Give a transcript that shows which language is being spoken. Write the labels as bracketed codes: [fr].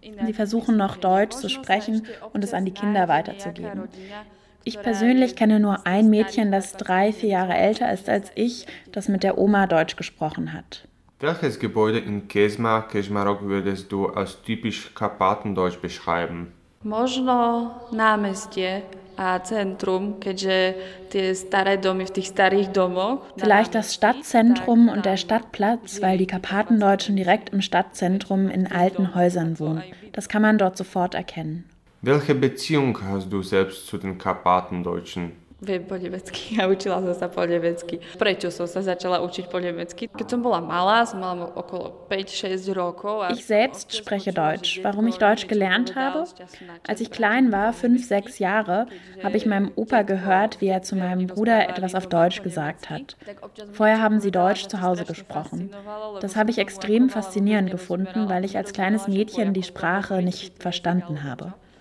[de] Sie versuchen noch Deutsch zu sprechen und es an die Kinder weiterzugeben. Ich persönlich kenne nur ein Mädchen, das 3-4 Jahre älter ist als ich, das mit der Oma Deutsch gesprochen hat. Welches Gebäude in Kesmar, Kesmarok würdest du als typisch Karpatendeutsch beschreiben? [sk] Možno námestie a centrum, keďže tie staré domy v tých starých domoch. [de] Vielleicht das Stadtzentrum und der Stadtplatz, weil die Karpatendeutschen direkt im Stadtzentrum in alten Häusern wohnen. Das kann man dort sofort erkennen. Welche Beziehung hast du selbst zu den Karpatendeutschen? [sk] Viem po nemecky, ja učila som sa po nemecky. Prečo som sa začala učiť po nemecky? Keď som bola malá, som mala okolo 5-6 rokov. [de] Ich selbst spreche Deutsch. Warum ich Deutsch gelernt habe? Als ich klein war, 5-6 Jahre, habe ich meinem Opa gehört, wie er zu meinem Bruder etwas auf Deutsch gesagt hat. Vorher haben sie Deutsch zu Hause gesprochen. Das habe ich extrem faszinierend gefunden, weil ich als kleines Mädchen die Sprache nicht verstanden habe.